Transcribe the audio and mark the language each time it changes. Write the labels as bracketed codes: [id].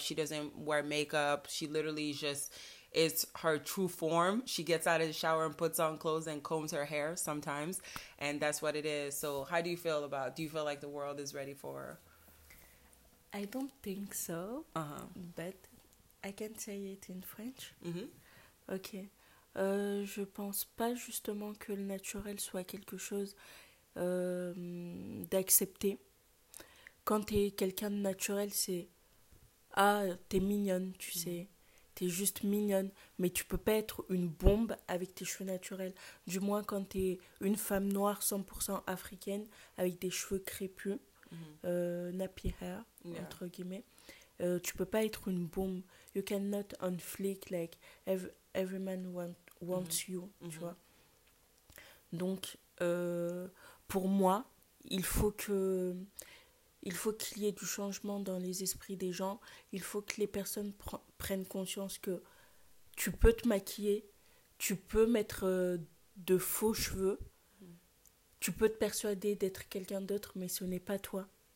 [en] She doesn't wear makeup. She literally just, it's her true form. She gets out of the shower and puts on clothes and combs her hair sometimes. And that's what it is. So how do you feel about, do you feel like the world is ready for her? I don't think so. Uh-huh. But I can say it in French. Mm-hmm. Okay. [fr] Je pense pas justement que le naturel soit quelque chose d'accepté. Quand t'es quelqu'un de naturel, c'est « Ah, t'es mignonne, tu sais. T'es juste mignonne. Mais tu peux pas être une bombe avec tes cheveux naturels. Du moins, quand t'es une femme noire 100% africaine avec des cheveux crépus, nappy hair, entre guillemets, tu peux pas être une bombe. [en] You cannot unflick like every man wants you, [fr] tu vois. Donc, pour moi, il faut qu'il y ait du changement dans les esprits des gens. Il faut que les personnes prennent conscience que tu peux te maquiller, tu peux mettre de faux cheveux, tu peux te persuader d'être quelqu'un d'autre, mais ce n'est pas toi.